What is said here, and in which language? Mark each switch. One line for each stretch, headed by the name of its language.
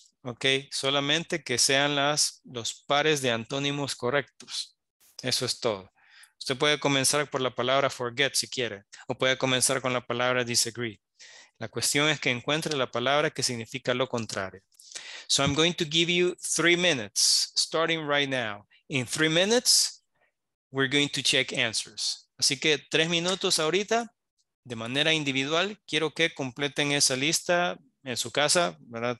Spanish: Okay, solamente que sean los pares de antónimos correctos. Eso es todo. Usted puede comenzar por la palabra forget si quiere, o puede comenzar con la palabra disagree. La cuestión es que encuentre la palabra que significa lo contrario.
English: So I'm going to give you 3 minutes, starting right now. In 3 minutes, we're going to check answers.
Spanish: Así que 3 minutos ahorita, de manera individual, quiero que completen esa lista en su casa, ¿verdad?